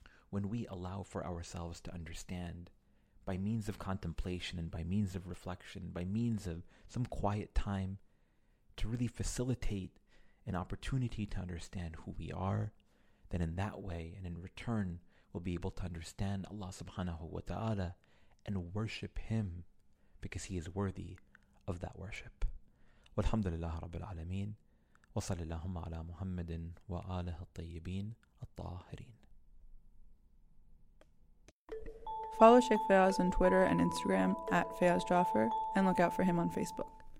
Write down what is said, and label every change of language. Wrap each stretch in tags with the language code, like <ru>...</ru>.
<en>When we allow for ourselves to understand by means of contemplation and by means of reflection, by means of some quiet time, to really facilitate an opportunity to understand who we are, then in that way and in return, we'll be able to understand Allah subhanahu wa ta'ala and worship Him, because He is worthy of that worship.</en> <ar>Walhamdulillah Rabbil Alameen. وصلى اللهم على محمد وآله الطيبين الطاهرين.</ar> <en>Follow Sheikh Fayaz on Twitter and Instagram @FayazJaffer, and look out for him on Facebook.</en>